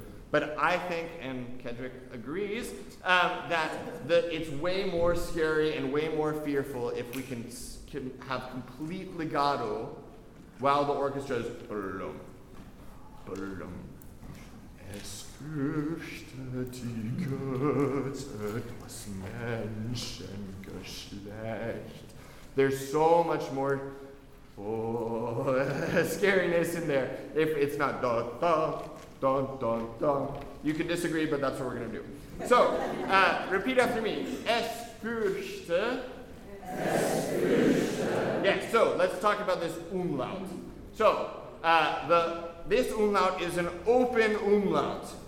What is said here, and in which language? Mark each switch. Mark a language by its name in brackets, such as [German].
[English] But I think, and Kedrick agrees, that it's way more scary and way more fearful if we can have complete legato while the orchestra is blum, blum. [German] Es fürchte die Götter das Menschengeschlecht. [English] There's so much more, scariness in there. If it's not da da da da da, you can disagree, but that's what we're gonna do. So, repeat after me. [German] Es fürchte. [English] Yeah, so let's talk about this umlaut. So, this umlaut is an open umlaut.